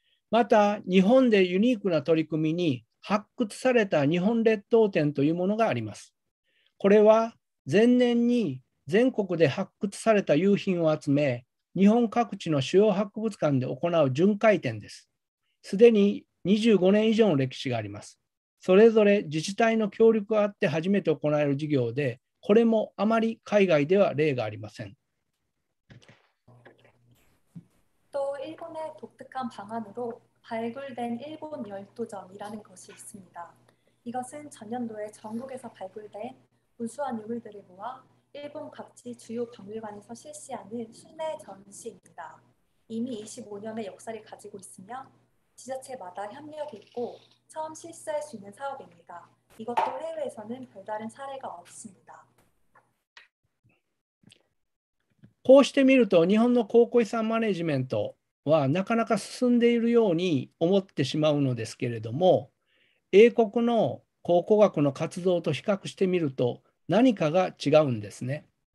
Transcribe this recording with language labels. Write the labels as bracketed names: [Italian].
[Japanese] また日本でユニークな取り組みに発掘された日本列島展というものがありますこれは前年に全国で発掘された遺品を集め、日本各地の主要博物館で行う巡回展です。すでに25年以上の歴史があります。それぞれ自治体の協力があって初めて行える事業で、これもあまり海外では例がありません。 [Korean] 일본의 독특한 방안으로 발굴된 일본 열도점이라는 것이 있습니다. 이것은 전년도에 전국에서 발굴된 우수한 유물들을 모아 일본 각지 주요 박물관에서 실시하는 순회 전시입니다. 이미 25년의 역사를 가지고 있으며 지자체마다 협력이 있고 처음 실시할 수 있는 사업입니다. 이것도 해외에서는 별다른 사례가 없습니다. [Japanese] こうして見ると日本の考古遺産マネジメントはなかなか進んでいるように思ってしまうのですけれども、英国の考古学の活動と比較してみると何かが違うんですね。